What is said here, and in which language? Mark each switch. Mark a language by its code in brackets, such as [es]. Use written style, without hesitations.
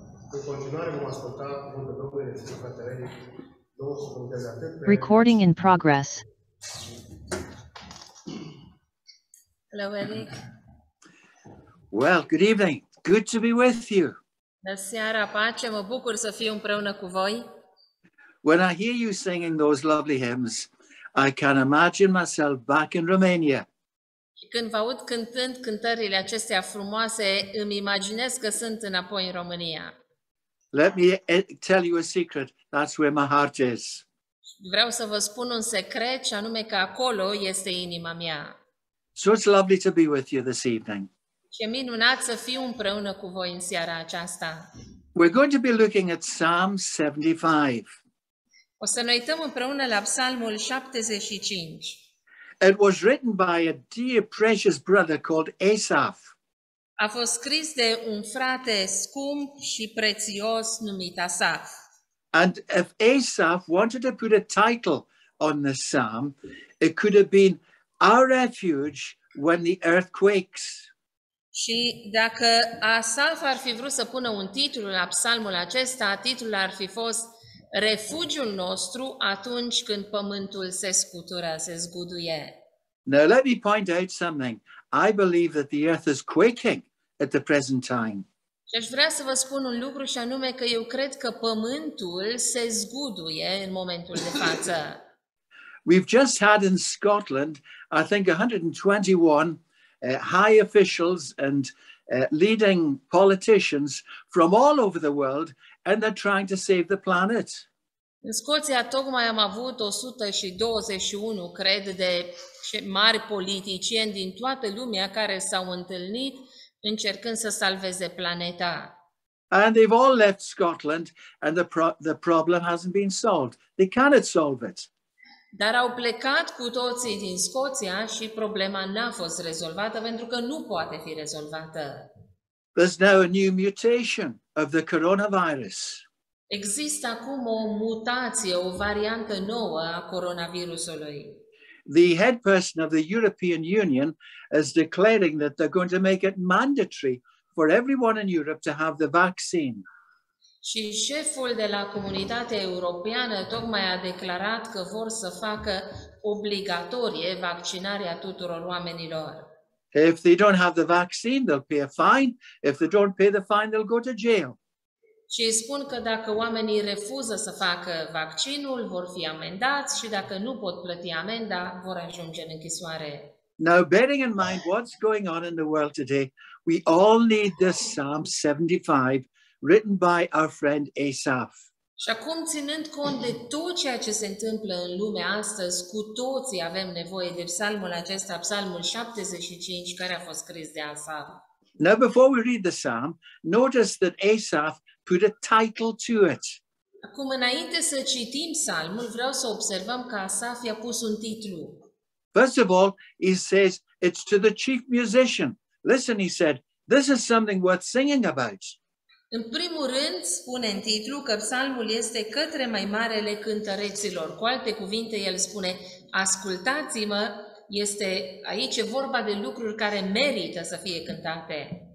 [ro] În continuare vom asculta cuvântul Domnului de Sfântul Fratele. Domnul să punteze atât pe... [en] Recording in progress. Hello, Eric. Well, good evening. Good to be with you. [ro] Bună seara, pace. Mă bucur să fiu împreună cu voi. [en] When I hear you singing those lovely hymns, I can imagine myself back in Romania. [ro] Și când vă aud cântând cântările acestea frumoase, îmi imaginez că sunt înapoi în România. [en] Let me tell you a secret. That's where my heart is. [ro] Vreau să vă spun un secret, și anume că acolo este inima mea. [en] So it's lovely to be with you this evening. [ro] E minunat să fiu împreună cu voi în seara aceasta. [en] We're going to be looking at Psalm 75. [ro] O să ne uităm împreună la Psalmul 75. [en] It was written by a dear precious brother called Asaf. [ro] A fost scris de un frate scump și prețios numit Asaf. [en] And if Asaf wanted to put a title on the psalm, it could have been Our Refuge When the Earth Quakes. [ro] Și dacă Asaf ar fi vrut să pună un titlu la psalmul acesta, titlul ar fi fost Refugiul nostru atunci când pământul se scutură, se zguduie. [en] Now let me point out something. I believe that the earth is quaking at the present time. [ro] Și aș vrea să vă spun un lucru și anume că eu cred că pământul se zguduie în momentul de față. [en] We've just had in Scotland, I think 121 high officials and leading politicians from all over the world, and they're trying to save the planet. [ro] În Scoția tocmai am avut 121, cred, de mari politicieni din toată lumea care s-au întâlnit încercând să salveze planeta. [en] And they've all left Scotland and the problem hasn't been solved. They cannot solve it. [ro] Dar au plecat cu toții din Scoția și problema n-a fost rezolvată pentru că nu poate fi rezolvată. [en] There's now a new mutation of the coronavirus. [ro] Există acum o mutație, o variantă nouă a coronavirusului. [en] The head person of the European Union is declaring that they're going to make it mandatory for everyone in Europe to have the vaccine. [ro] Și șeful de la comunitatea europeană tocmai a declarat că vor să facă obligatorie vaccinarea tuturor oamenilor. [en] If they don't have the vaccine, they'll pay a fine. If they don't pay the fine, they'll go to jail. [ro] Și spun că dacă oamenii refuză să facă vaccinul, vor fi amendați și dacă nu pot plăti amenda, vor ajunge în închisoare. [en] Now, bearing in mind what's going on in the world today, we all need this Psalm 75 written by our friend Asaf. [ro] Și acum, ținând cont de tot ceea ce se întâmplă în lume astăzi, cu toții avem nevoie de psalmul acesta, psalmul 75, care a fost scris de Asaf. [en] Now, before we read the psalm, notice that Asaf put a title to it. [ro] Acum, înainte să citim psalmul, vreau să observăm că Asaf i-a pus un titlu. [en] First of all, he says, it's to the chief musician. Listen, he said, this is something worth singing about. [ro] În primul rând, spune în titlu că psalmul este către mai marele cântăreților. Cu alte cuvinte, el spune, ascultați-mă, este aici vorba de lucruri care merită să fie cântate.